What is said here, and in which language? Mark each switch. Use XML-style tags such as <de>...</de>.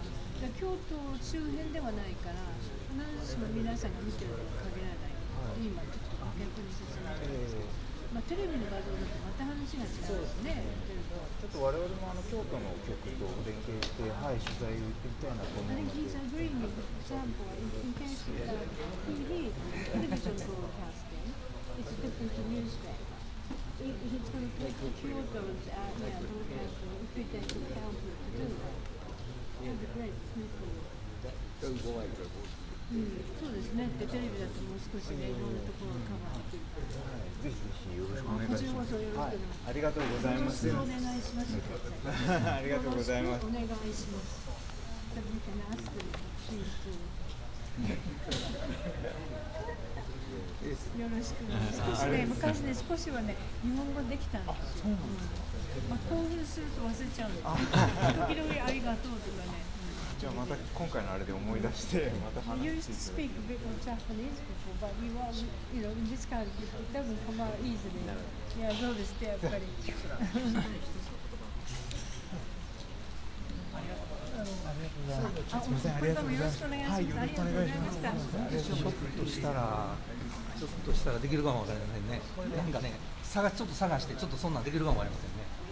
<ja>じゃ京都周辺ではないから、必ずしも皆さんが見てるのは限らない。今ちょっと逆に説明したんですけど、まあ、テレビの画像だとまた話が違うんですね。ちょっと我々もあの京都の局と連携して、はい、取材行ってみたいなと思います。</ja> <en>I think he's agreeing with an example in case of TV, television broadcasting. It's different to newspaper. He's going to take the Kyoto's broadcasting if he takes the council to do that. That would be great. Go wide,</en> <ja>Rebel. そうですね。で、テレビだともう少しね、いろんなところをカバーできる。ぜひぜひよろしくお願いします。こちらこそよろしく、はい、ありがとうございます。よろしくお願いします。ありがとうございます。よろしくお願いします。ナスクリップ、ピース。よろしく。少しね、昔ね、少しはね、日本語できたんですよ。あ、そうなんですか。まあ、興奮すると忘れちゃうんですよ。時々ありがとうとかね。じゃあまた今回のあれで思い出してまた話していただ</ja> <en>きます。You speak a bit of Japanese before, but you are, you know, in this country, it doesn't come out easily.</en> <ja>Yeah, どうでしたやっぱり。ありがとうございます。ありがとうございます。ちょっとしたら、ちょっとしたらできるかもわかりませんね。なんかね、ちょっと探して、ちょっとそんなんできるかもわかりませんね。</ja>